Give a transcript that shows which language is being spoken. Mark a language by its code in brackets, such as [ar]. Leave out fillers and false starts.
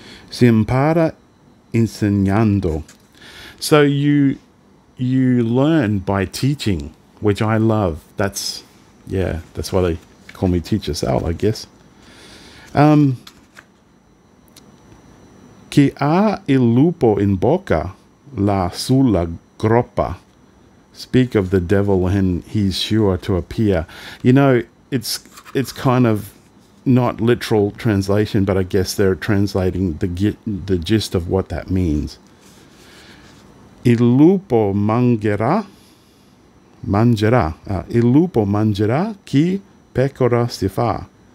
[it] Si impara insegnando. [en] So you learn by teaching, which I love. That's why they call me teacher Sal, I guess. [it] Chi ha il lupo in bocca, la sulla groppa. [en] Speak of the devil and he's sure to appear. You know, it's kind of not literal translation, but I guess they're translating the gist of what that means. [it] Il lupo mangerà chi pecora si fa.